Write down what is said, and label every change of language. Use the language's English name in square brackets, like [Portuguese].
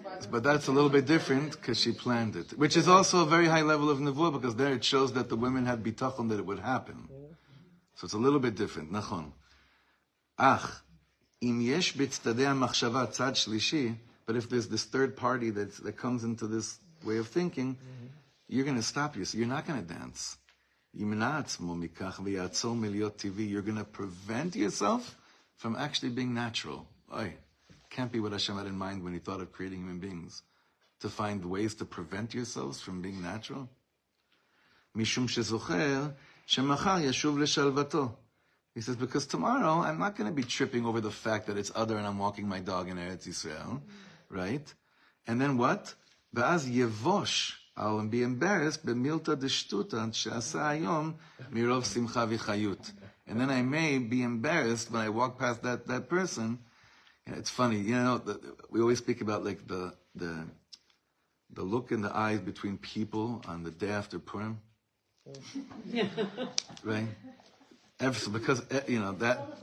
[English] But that's a little bit different because she planned it. Which is also a very high level of Nevuah because there it shows that the women had bitachon that it would happen. So it's a little bit different, נכון. [Hebrew] אך, אם יש בצדדי המחשבה צד שלישי, [English] but if there's this third party that comes into this way of thinking, you're going to stop yourself. You're not going to dance. [Hebrew] ימנע עצמו מכך ויעצור מלהיות טבעי. [English] You're going to prevent yourself from actually being natural. Oy, can't be what Hashem had in mind when he thought of creating human beings. To find ways to prevent yourselves from being natural. [Hebrew] משום שזוכר, שמחר ישוב לשלוותו. [English] He says, because tomorrow I'm not going to be tripping over the fact that it's other and I'm walking my dog in Eretz Yisrael. Right? And then what? [Hebrew] ואז יבוש, [English] I'll be embarrassed [Hebrew] במילתא דשטותא שעשה היום מרוב שמחה וחיות. [English] And then I may be embarrassed when I walk past that person. You know, it's funny, you know, we always speak about like the look in the eyes between people on the day after Purim. Yeah. Right? Ever so, because, you know, that.